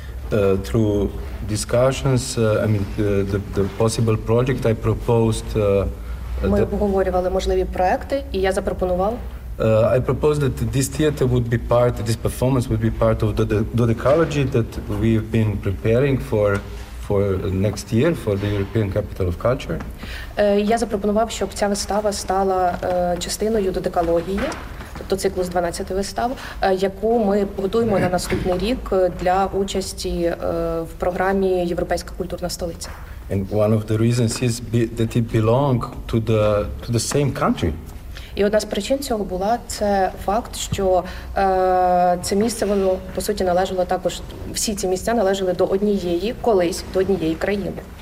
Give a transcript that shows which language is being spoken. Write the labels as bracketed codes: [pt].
[en] through discussions, I mean the possible project I proposed. [uk] Ми обговорювали можливі проекти, і я запропонував. [en] I proposed that this theater would be part, this performance would be part of the Dodecology that we've been preparing for next year, for the European Capital of Culture. [uk] Я запропонував, щоб ця вистава стала частиною Додекології, тобто циклу з 12 вистав, яку ми готуємо на наступний рік для участі в програмі Європейська культурна столиця. [en] And one of the reasons is that it belong to the same country. [uk] І одна з причин цього була це факт, що це місце воно по суті належало також, всі ці місця належали до однієї колись, до однієї країни.